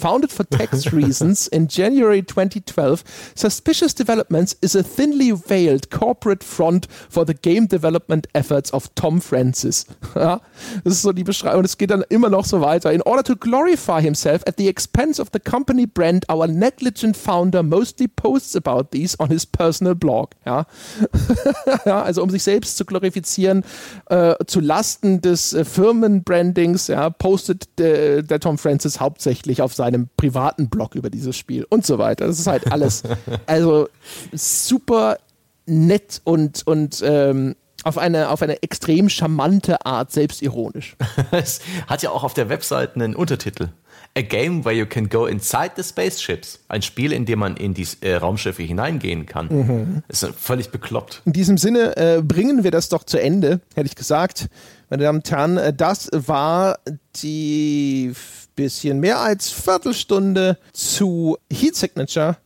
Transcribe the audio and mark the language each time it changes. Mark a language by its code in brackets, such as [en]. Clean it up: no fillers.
[en] Founded for tax reasons in January 2012, Suspicious Developments is a thinly veiled corporate front for the game development efforts of Tom Francis. [de] Ja, das ist so die Beschreibung, es geht dann immer noch so weiter. [en] In order to glorify himself at the expense of the company brand, our negligent founder mostly posts about these on his personal blog, ja. [de] Ja, also um sich selbst zu glorifizieren, zu Lasten des Firmenbrandings, ja, postet der Tom Francis hauptsächlich auf seinem privaten Blog über dieses Spiel und so weiter. Das ist halt alles, also super nett und auf eine extrem charmante Art selbstironisch. Es hat ja auch auf der Webseite einen Untertitel. [en] A game where you can go inside the spaceships. [de] Ein Spiel, in dem man in die Raumschiffe hineingehen kann. Mhm. Ist völlig bekloppt. In diesem Sinne bringen wir das doch zu Ende, hätte ich gesagt. Meine Damen und Herren, das war die bisschen mehr als Viertelstunde zu HeSignature.